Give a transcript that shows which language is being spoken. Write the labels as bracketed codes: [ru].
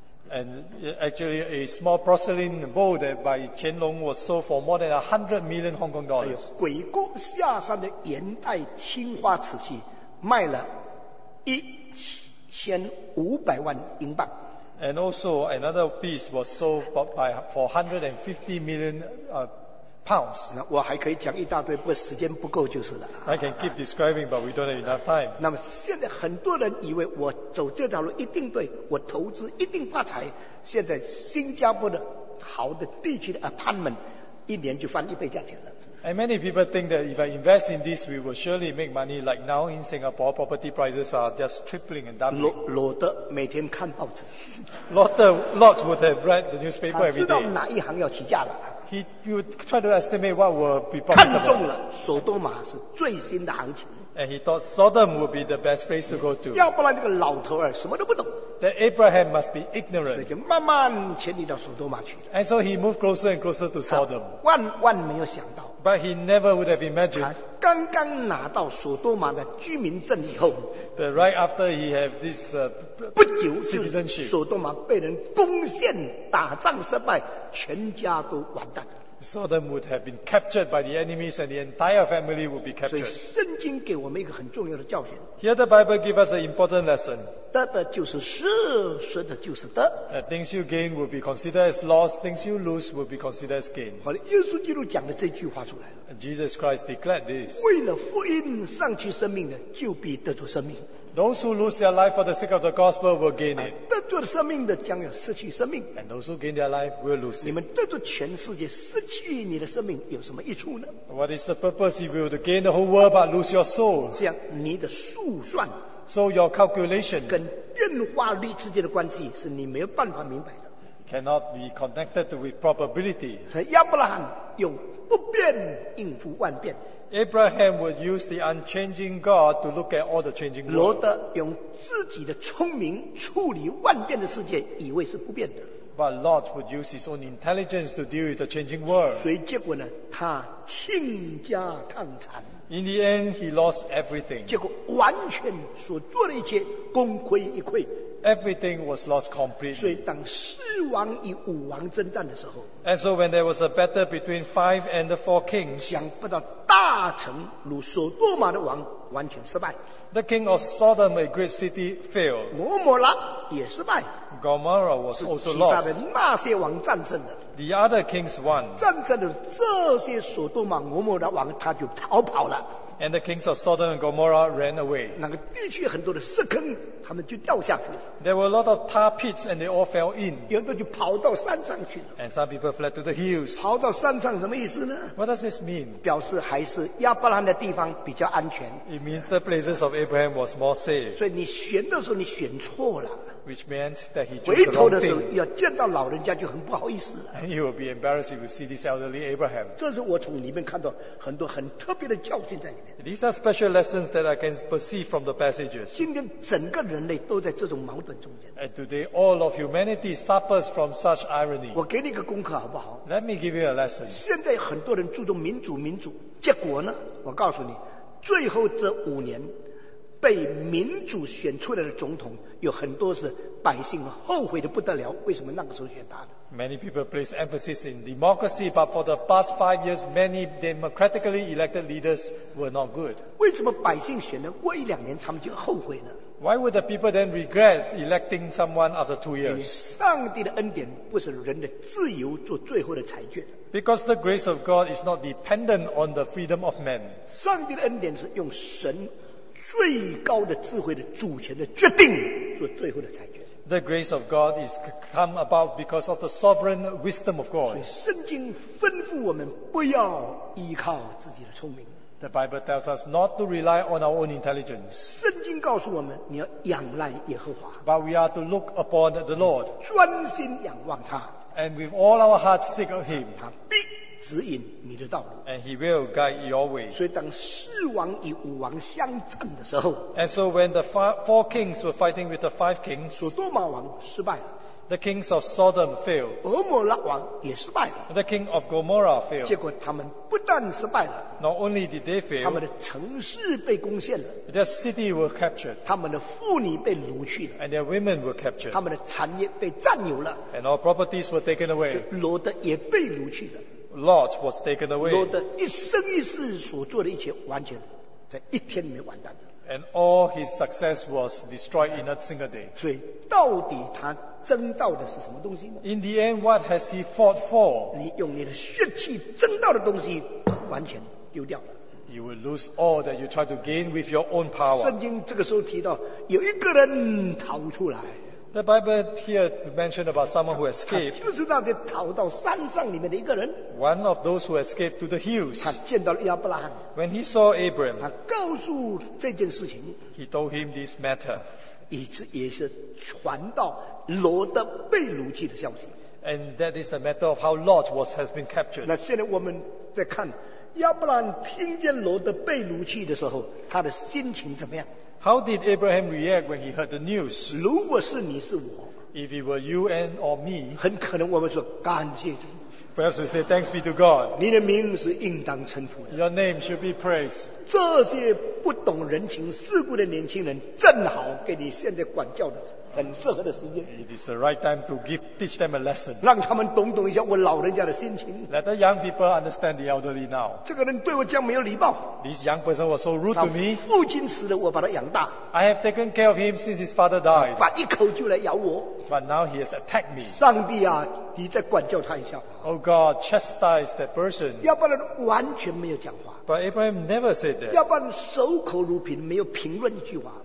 [en] And actually, a small porcelain bowl that by Qianlong was sold for more than $100 million. [zh] 所以鬼谷下山的元代青花瓷器卖了1,500万英镑。 [en] And also another piece was sold for £450 million. [zh] 那我还可以讲一大堆，不过时间不够就是了。 [en] I can keep describing, but we don't have enough time. [zh] 那么现在很多人以为我走这条路一定对，我投资一定发财。现在新加坡的好的地区的 apartment 一年就翻一倍价钱了。 [en] And many people think that if I invest in this, we will surely make money. Like now in Singapore, property prices are just tripling and doubling. [zh] Lotte 每天看报纸。 [en] Lotte would have read the newspaper every day. [zh] 他知道哪一行要起价了。 [en] He would try to estimate what will be profitable. [zh] 看中了，索多玛是最新的行情。 [en] And he thought Sodom would be the best place to go to. [zh] 要不然这个老头儿什么都不懂。 [en] That Abraham must be ignorant. [zh] 所以就慢慢迁移到索多玛去了。 [en] And so he moved closer and closer to Sodom. [zh] 万没有想到。 [en] But he never would have imagined. [zh] 刚刚拿到索多玛的居民证以后 [en] ，the right after he have this [zh] 不久就是索多玛被人攻陷，打仗失败，全家都完蛋。 [en] Sodom would have been captured by the enemies, and the entire family would be captured. [zh] 所以圣经给我们一个很重要的教训。 [en] Here the Bible give us an important lesson. [zh] 得的就是失，失的就是得。 [en] Things you gain will be considered as loss. Things you lose will be considered as gain. [zh] 好了，耶稣基督讲的这句话出来了。 [en] Jesus Christ declared this. [zh] 为了福音丧去生命的，就必得着生命。 [en] Those who lose their life for the sake of the gospel will gain it. [zh] 得着生命的将要失去生命。 [en] And those who gain their life will lose it. [zh] 你们得着全世界失去你的生命有什么益处呢？ [en] What is the purpose if you gain the whole world but lose your soul? [zh] 这样你的速算 [en] So your calculation [zh] 跟变化率之间的关系是你没有办法明白的。 [en] Cannot be connected with probability. [zh] 亚伯拉罕用不变应付万变。 [en] Abraham would use the unchanging God to look at all the changing world. [zh] 罗德用自己的聪明处理万变的世界，以为是不变的。 [en] But Lot would use his own intelligence to deal with the changing world. [zh] 所以结果呢，他倾家荡产。 [en] In the end, he lost everything. [zh] 结果完全所做的一切功亏一篑。 [en] Everything was lost completely. [zh] 所以当四王与五王征战的时候 [en] ，And so when there was a battle between five and the four kings， [zh] 想不到大臣如索多玛的王完全失败。 [en] The king of Sodom, a great city, failed. [zh] 摩摩拉也失败。 [en] Gomorrah was also lost. [zh] 是其他的那些王战胜的。 [en] The other kings won. [zh] 战胜了这些索多玛、摩摩拉王，他就逃跑了。 [en] And the kings of Sodom and Gomorrah ran away. [zh] 那个地区很多的石坑，他们就掉下去。 [en] There were a lot of tar pits, and they all fell in. [zh] 有的就跑到山上去了。 [en] And some people fled to the hills. [zh] 跑到山上什么意思呢 [en] ？What does this mean? [zh] 表示还是亚伯拉罕的地方比较安全。 [en] It means the places of Abraham was more safe. [zh] 所以你选的时候你选错了。 [en] Which meant that he [zh] 回头的时候要见到老人家就很不好意思了。 [en] You will be embarrassed if you see this elderly Abraham. [zh] 这是我从里面看到很多很特别的教训在里面。 [en] These are special lessons that I can perceive from the passages. [zh] 今天整个人类都在这种矛盾中间。 [en] And today all of humanity suffers from such irony. [zh] 我给你个功课好不好 [en] ？Let me give you a lesson. [zh] 现在很多人注重民主，结果呢？我告诉你，最后这五年。被民主选出来的总统，有很多是百姓后悔的不得了，为什么那个时候选他的？ [en] Many people place emphasis in democracy, but for the past 5 years, many democratically elected leaders were not good. [zh] 为什么百姓选了过一两年他们就后悔呢？ [en] Why would the people then regret electing someone after 2 years? [zh] 上帝的恩典不是人的自由做最后的裁决。 [en] Because the grace of God is not dependent on the freedom of men. [zh] 上帝的恩典是用神最高的智慧的主权的决定做最后的裁决。 [en] The grace of God is come about because of the sovereign wisdom of God. [zh] 所以圣经吩咐我们不要依靠自己的聪明。 [en] The Bible tells us not to rely on our own intelligence. [zh] 圣经告诉我们你要仰赖耶和华。 [en] But we are to look upon the Lord. [zh] 专心仰望他。 [en] And with all our hearts seek of him. [zh] 他必指引你的道路。 [en] And he will guide your way. [zh] 所以当四王与五王相战的时候。 [en] And so when the four kings were fighting with the five kings. [zh] 所多玛王失败了。 [en] The kings of Sodom failed. [zh] 俄摩拉王也失败了。 [en] The king of Gomorrah failed. [zh] 结果他们不但失败了。 [en] Not only did they fail. [zh] 他们的城市被攻陷了。 [en] Their city were captured. [zh] 他们的妇女被掳去了。 [en] And their women were captured. [zh] 他们的产业被占有了。 [en] And all properties were taken away. [zh] 罗德也被掳去了。 [en] Lot was taken away. [zh] 罗德一生一世所做的一切完全在一天里面完蛋了。 [en] And all his success was destroyed in a single day. [zh] 所以到底他争到的是什么东西呢？ [en] In the end, what has he fought for? [zh] 你用你的血气争到的东西完全丢掉了。 [en] You will lose all that you try to gain with your own power. [zh] 圣经这个时候提到有一个人逃出来。 [en] The Bible here mentioned about someone who escaped. [zh] 他就是那些逃到山上里面的一个人。 [en] One of those who escaped to the hills. [zh] 他见到了亚伯拉罕。 [en] When he saw Abraham. [zh] 他告诉这件事情。 [en] He told him this matter. [zh] 以致也是传到罗德被掳去的消息。 [en] And that is the matter of how Lot has been captured. [zh] 那现在我们在看亚伯拉罕听见罗德被掳去的时候，他的心情怎么样？ [en] How did Abraham react when he heard the news? [zh] 如果是你是我， [en] if it were you and or me, [zh] 很可能我们说感谢主。 [en] Perhaps we say thanks be to God. [zh] 你的名是应当称呼的。 [en] Your name should be praised. [zh] 这些不懂人情世故的年轻人，正好给你现在管教的很适合的时间。 [en] It is the right time to teach them a lesson. [zh] 让他们懂懂一下我老人家的心情。 [en] Let the young people understand the elderly now. [zh] 这个人对我这样没有礼貌。 [en] This young person was so rude to me. [zh] 父亲死了，我把他养大。 [en] I have taken care of him since his father died. [zh] 反一口就来咬我。 [en] But now he has attacked me. [zh] 上帝啊，你再管教他一下。 [en] Oh God, chastise that person. [zh] 要不然完全没有讲话。 [en] But Abraham never said that. [zh] 要不然守口如瓶，没有评论一句话。